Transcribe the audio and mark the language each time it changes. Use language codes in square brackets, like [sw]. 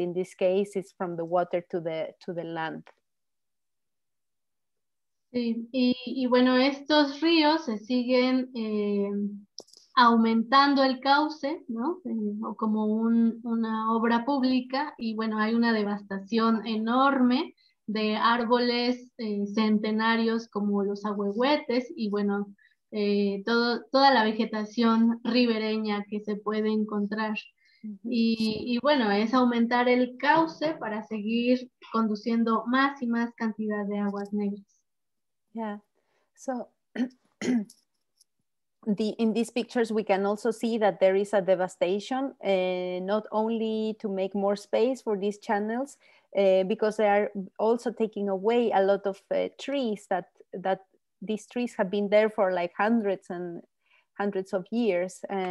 [en] In this case, it's from the water to the land. [es] Sí, y bueno, estos ríos se siguen aumentando el cauce, ¿no? Como una obra pública, y bueno, hay una devastación enorme de árboles centenarios como los ahuehuetes y bueno, toda la vegetación ribereña que se puede encontrar. Y bueno, es aumentar el cauce para seguir conduciendo más y más cantidad de aguas negras. [en] Yeah, so... In these pictures, we can also see that there is a devastation, not only to make more space for these channels, because they are also taking away a lot of trees that these trees have been there for like hundreds and hundreds of years.